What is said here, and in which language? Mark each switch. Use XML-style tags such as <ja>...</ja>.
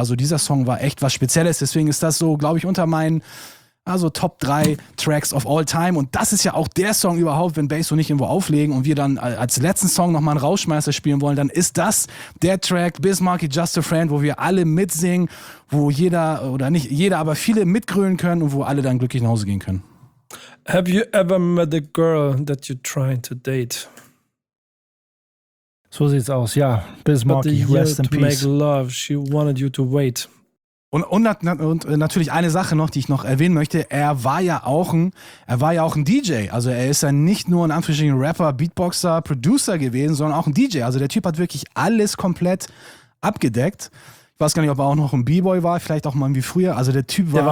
<de>Also dieser Song war echt was Spezielles, deswegen ist das so, glaube ich, unter meinen also Top 3</de> <en>Tracks of all time</en> <de>und das ist ja auch der Song überhaupt, wenn Bass und ich irgendwo auflegen und wir dann als letzten Song nochmal einen Rausschmeißer spielen wollen, dann ist das der Track Bismarcky Just a Friend, wo wir alle mitsingen, wo jeder oder nicht jeder, aber viele mitgrölen können und wo alle dann glücklich nach Hause gehen können.</de> <en>Have you ever met a girl that you're trying to date?</en> <de>So sieht's aus, ja. Bismarcky,</de> <en>rest in peace. To make love, she wanted you to wait.</en> <de>Und natürlich eine Sache noch, die ich noch erwähnen möchte, er war ja auch ein DJ, also er ist ja nicht nur ein Anführungsstrichen Rapper, Beatboxer, Producer gewesen, sondern auch ein DJ, also der Typ hat wirklich alles komplett abgedeckt, ich weiß gar nicht, ob er auch noch ein B-Boy war, vielleicht auch mal wie früher, also der Typ war</de>